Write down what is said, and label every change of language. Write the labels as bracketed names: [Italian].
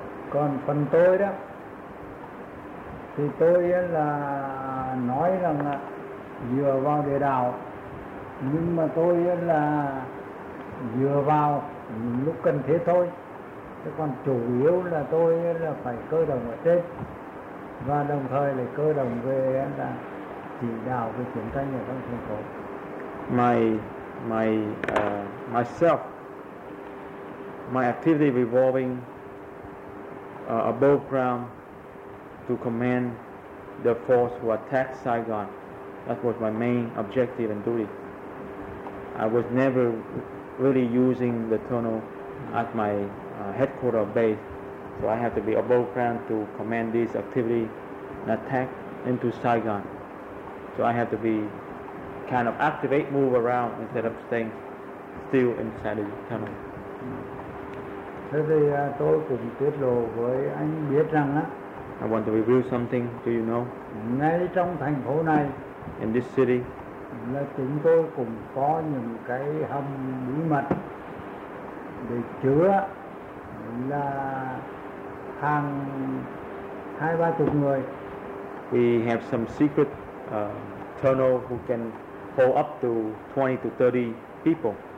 [Vietnamese] Còn phần tôi đó, thì tôi là nói rằng là dựa vào địa đạo, nhưng mà tôi là dựa vào lúc cần thiết thôi. Thế còn chủ yếu là tôi là phải cơ động ở trên và đồng thời là cơ động về là chỉ đạo cái chiến tranh ở trong thành phố. [English] My activity revolving above ground to command the force who attacked Saigon. That was my main objective and duty. I was never really using the tunnel at my headquarters base, so I have to be above ground to command this activity and attack into Saigon. So I have to be kind of activate, move around instead of staying still inside the tunnel. [Vietnamese] Thế thì tôi cũng tiết lộ với anh biết rằng á, [English] I want to reveal something to you know. [Vietnamese] Ngay trong thành phố này, [English] in this city, [Vietnamese] là chúng tôi cũng có những cái hầm bí mật để chứa là hàng 20-30 người. [English] We have some secret tunnel who can hold up to 20-30 people.